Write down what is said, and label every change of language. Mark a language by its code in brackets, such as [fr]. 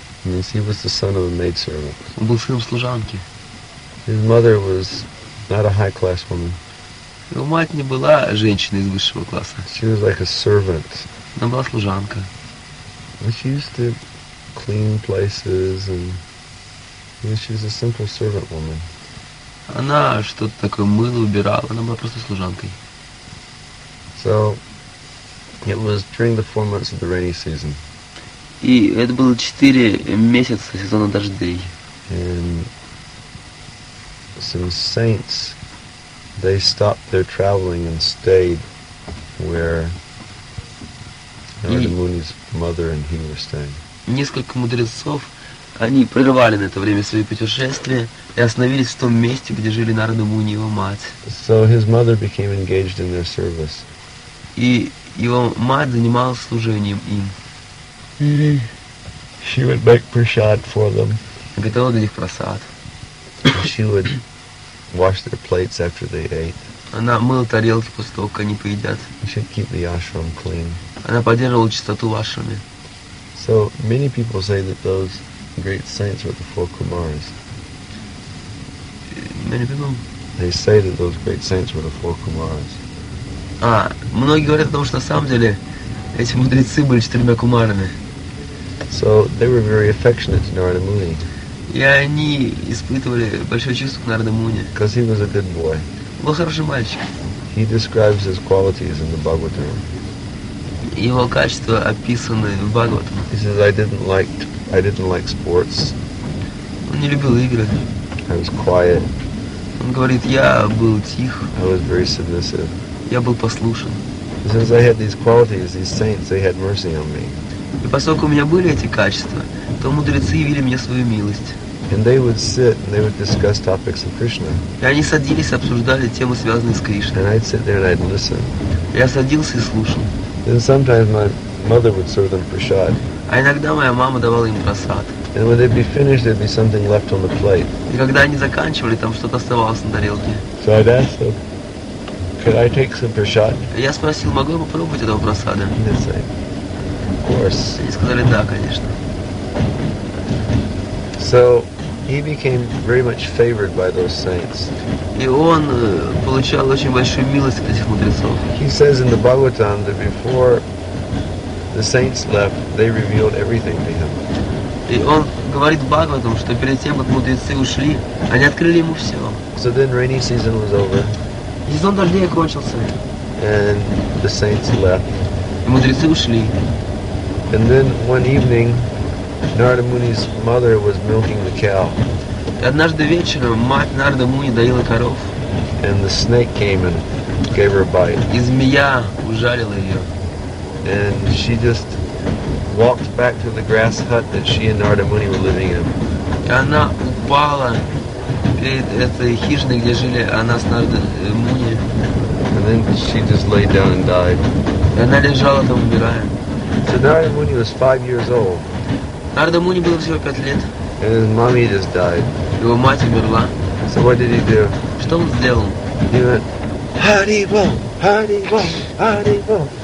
[en] Means he was the son of a maidservant. [ru] Он был сыном служанки. [en] His mother was not a high-class woman. [ru] Его мать не была женщиной из высшего класса. [en] She was like a servant. [ru] Она была служанка. [en] And she used to clean places, and you know, she was a simple servant woman. [ru] Она что-то такое мыло убирала, она была просто служанкой. [en] So it was during the 4 months of the rainy season. [ru] И это было 4 месяца сезона дождей. [en] And some saints, they stopped their traveling and stayed where Narada Muni's mother and he were staying. [ru] Несколько мудрецов, они прервали на это время свои путешествия и остановились в том месте, где жили Нарада Муни и его мать. [en] So his mother became engaged in their service. [ru] И его мать занималась служением им. [en] She would make prasad for them. [ru] Готовила для них прасад. [en] She would wash their plates after they ate. [ru] Она мыла тарелки после того, как они поедят. [en] She'd keep the ashram clean. [ru] Она поддерживала чистоту в ашраме. [en] So many people say that those great saints were the four kumaras. Many people. They say that those great saints were the four kumaras. [ru] А многие говорят о том, что на самом деле эти мудрецы были четырьмя кумарами. [en] So they were very affectionate to Narada Muni. [ru] И они испытывали большое чувство к Нарада Муни. [en] Because he was a good boy. [ru] Был хороший мальчик. [en] He describes his qualities in the Bhagavatam. [ru] Его качества описаны в Бхагаватам. [en] He says, I didn't like sports. [ru] Он не любил игры. [en] I was quiet. [ru] Он говорит, я был тих. [en] I was very submissive. [ru] Я был послушен. [en] He says, I had these qualities, these saints, they had mercy on me. [ru] И поскольку у меня были эти качества, то мудрецы явили мне свою милость. [en] And they would sit and they would discuss topics of Krishna. [ru] И они садились и обсуждали темы, связанные с Кришной. [en] And I'd sit there and I'd listen. [ru] Я садился и слушал. [en] Then sometimes my mother would serve them prasad. [ru] А иногда моя мама давала им прасад. [en] And when they'd be finished, there'd be something left on the plate. [ru] И когда они заканчивали, там что-то оставалось на тарелке. [en] So I'd ask them, could I take some prasad? [ru] Я спросил, могу я попробовать этого прасада? [en] And they'd say, of course. [ru] Они сказали, да, конечно. [en] So he became very much favored by those saints. [ru] И он получал очень большую милость от этих мудрецов. [en] He says in the Bhagavatam that before the saints left, they revealed everything to him. [ru] И он говорит в Бхагаватам, что перед тем, как мудрецы ушли, они открыли ему все. [en] So then rainy season was over. [ru] Сезон дождей кончился. [en] And the saints left. [ru] И мудрецы ушли. [en] And then one evening, Narada Muni's mother was milking the cow. [ru] Однажды вечером мать Нарада Муни доила коров. [en] And the snake came and gave her a bite. [ru] И змея ужалила ее. [en] And she just walked back to the grass hut that she and Narada Muni were living in. [ru] И она упала этой хижины, где жили Анаснарда Муни. [en] And then she just laid down and died. [ru] И она лежала там, умирая. [en] So Narada Muni was 5 years old. [ru] Narada Muni было всего 5 лет. [en] And his mommy just died. [ru] Его мать умерла. [en] So what did he do? [ru] Что он сделал? [en] He went, Haribol, Haribol, Haribol,